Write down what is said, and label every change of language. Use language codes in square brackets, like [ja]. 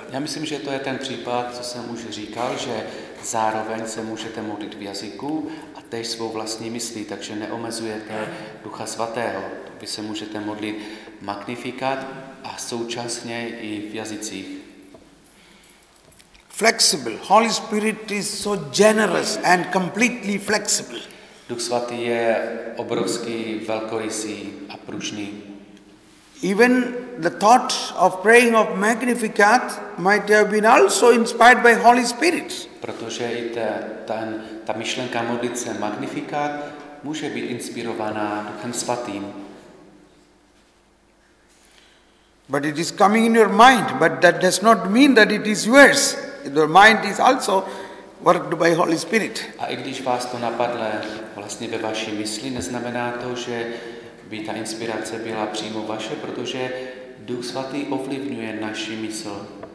[cs] Já myslím, že to je ten případ, co jsem už říkal, že zároveň se můžete modlit v jazyku a též svou vlastní myslí, takže neomezujete Ducha Svatého. Vy se můžete modlit magnifikat a současně i v jazycích. [en] Flexible. Holy Spirit is so generous and completely flexible. [cs] Duch Svatý je obrovský, velkorysý a pružný. [en] Even the thought of praying of Magnificat might have been also inspired by Holy Spirit. [cs] Protože i ta myšlenka modlit se Magnificat může být inspirovaná Duchem Svatým. [en] But it is coming in your mind, but that does not mean that it is yours. Your mind is also worked by Holy Spirit. [cs] A i když vás to napadlo vlastně ve vaší mysli, neznamená to, že by ta inspirace byla přímo vaše, protože Duch Svatý ovlivňuje naši mysl.